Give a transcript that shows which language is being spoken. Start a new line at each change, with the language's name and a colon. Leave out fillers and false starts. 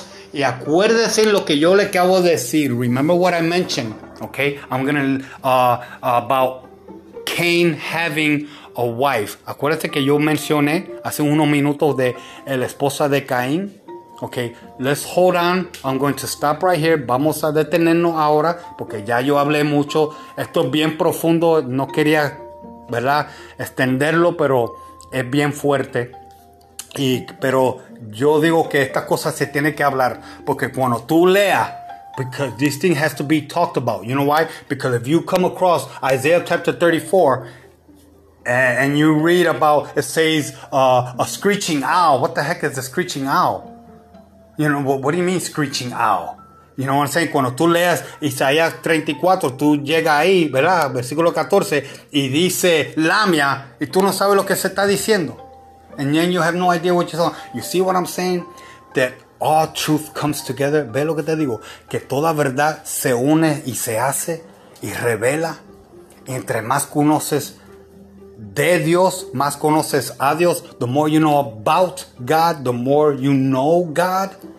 Spanish: Y acuérdese lo que yo le acabo de decir.
English: Remember what I mentioned, okay? I'm going to, about Cain having a wife.
Spanish: Acuérdese que yo mencioné hace unos minutos de la esposa de Caín.
English: Okay, let's hold on. I'm going to stop right here.
Spanish: Vamos a detenernos ahora porque ya yo hablé mucho. Esto es bien profundo. No quería, ¿verdad?, extenderlo, pero es bien fuerte. Y, pero yo digo que estas cosas se tienen que hablar. Porque cuando tú leas,
English: because this thing has to be talked about. You know why? Because if you come across Isaiah chapter 34 and you read about, it says a screeching owl. What the heck is a screeching owl? You know, what do you mean screeching owl? You know what I'm saying?
Spanish: Cuando tú leas Isaías 34, tú llegas ahí, ¿verdad? Versículo 14, y dice lamia, y tú no sabes lo que se está diciendo.
English: And then you have no idea what you're saying. You see what I'm saying? That all truth comes together.
Spanish: ¿Ve lo que te digo? Que toda verdad se une y se hace y revela. Entre más conoces de Dios, más conoces a Dios.
English: The more you know about God, the more you know God.